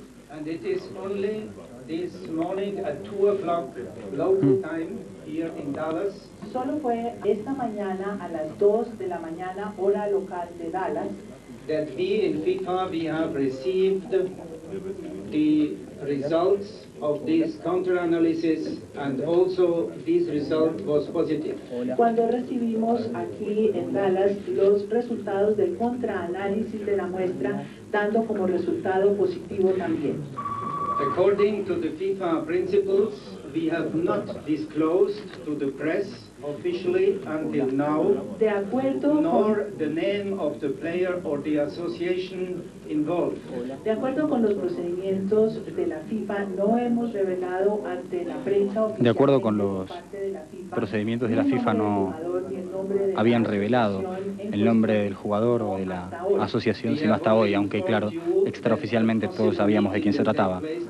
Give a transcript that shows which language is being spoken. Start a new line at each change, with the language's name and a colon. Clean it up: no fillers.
English: And it is only this morning at 2 o'clock local time here in Dallas.
Spanish: Solo fue esta mañana a las 2 de la mañana hora local de Dallas
English: that we in FIFA we have received the results of this counter analysis and also this result was positive.
Spanish: Cuando recibimos aquí en Dallas los resultados del contraanálisis de la muestra dando como resultado positivo también.
English: According to the FIFA principles, we have not disclosed to the press officially until now,
Spanish: de acuerdo con,
English: nor the name of the player or the association involved.
Spanish: De acuerdo con los procedimientos de la FIFA, no hemos revelado ante la prensa oficial. De acuerdo con los procedimientos de la FIFA, no habían revelado el nombre del jugador o de la asociación, sino hasta hoy, aunque claro, extraoficialmente todos sabíamos de quién se trataba.